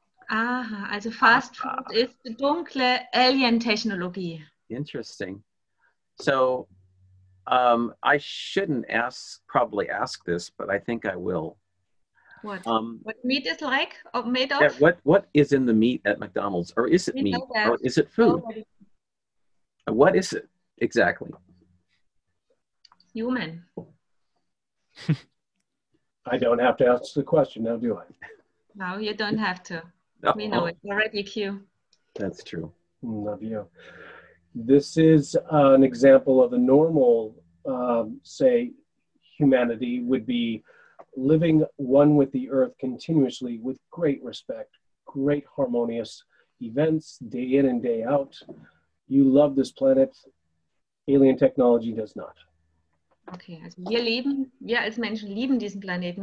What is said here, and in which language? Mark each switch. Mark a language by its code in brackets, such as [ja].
[de] Aha, also Fast Food ist dunkle Alien-Technologie. [en] Interesting. So, I shouldn't probably ask this, but I think I will. What? What meat is like? Or made of? What is in the meat at McDonald's? Or is it meat? Or is it food? What is it exactly? human. I don't have to ask the question now, do I? No, you don't have to. We know it. We're ready, Q. That's true. Love you. This is an example of a normal, say, humanity would be living one with the earth continuously with great respect, great harmonious events day in and day out. You love this planet. Alien technology does not. [de] Okay, also wir als Menschen lieben diesen Planeten.